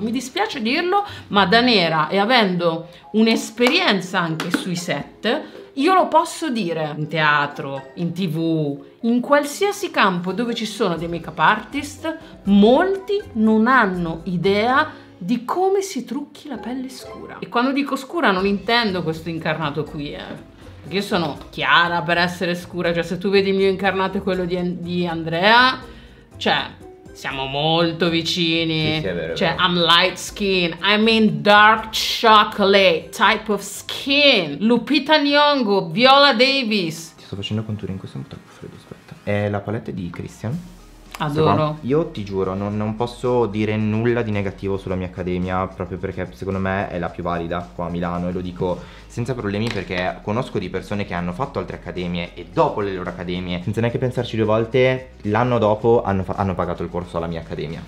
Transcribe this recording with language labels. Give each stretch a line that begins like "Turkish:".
Italian: Mi dispiace dirlo, ma da nera e avendo un'esperienza anche sui set, io lo posso dire, in teatro, in TV, in qualsiasi campo dove ci sono dei makeup artist, molti non hanno idea di come si trucchi la pelle scura. E quando dico scura non intendo questo incarnato qui, perché io sono chiara per essere scura, cioè se tu vedi il mio incarnato e quello di Andrea, cioè siamo molto vicini, sì, sì, è vero, cioè è vero.
English: I'm light skin, I'm in dark chocolate type of skin, Lupita Nyong'o, Viola Davis.
Italian: Ti sto facendo contouring, questo è un troppo freddo, aspetta, è la palette di Christian. Adoro. Io ti giuro, non posso dire nulla di negativo sulla mia accademia, proprio perché secondo me è la più valida qua a Milano e lo dico senza problemi perché conosco di persone che hanno fatto altre accademie e dopo le loro accademie, senza neanche pensarci due volte, l'anno dopo hanno pagato il corso alla mia accademia.